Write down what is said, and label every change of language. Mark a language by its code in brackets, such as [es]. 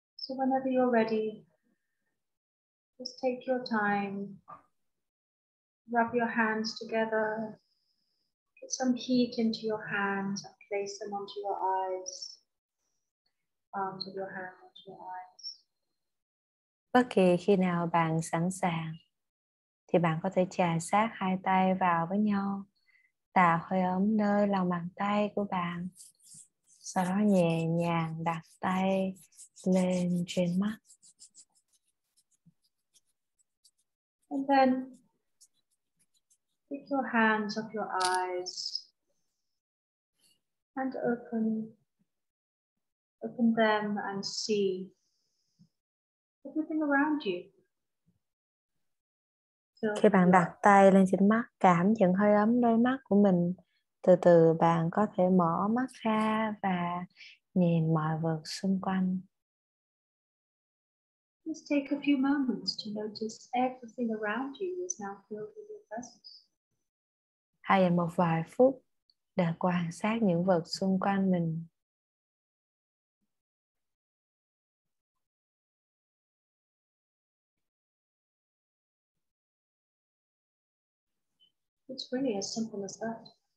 [en] So whenever you're ready, just take your time, rub your hands together, get some heat into your hands, and place them onto your eyes, palms of your hands onto your eyes. [vi] Bất kỳ khi nào bạn sẵn sàng, thì bạn có thể chà sát hai tay vào với nhau, tạo hơi ấm nơi lòng bàn tay của bạn. Sau đó nhẹ nhàng đặt tay lên trên mắt. [en] And then take your hands off your eyes and open them and see everything around you. [vi] Khi bạn đặt tay lên trên mắt, cảm nhận hơi ấm đôi mắt của mình, từ từ bạn có thể mở mắt ra và nhìn mọi vật xung quanh. [en] Just take a few moments to notice everything around you is now filled with your presence. [vi] Hãy dành một vài phút để quan sát những vật xung quanh mình. [en] It's really as simple as that.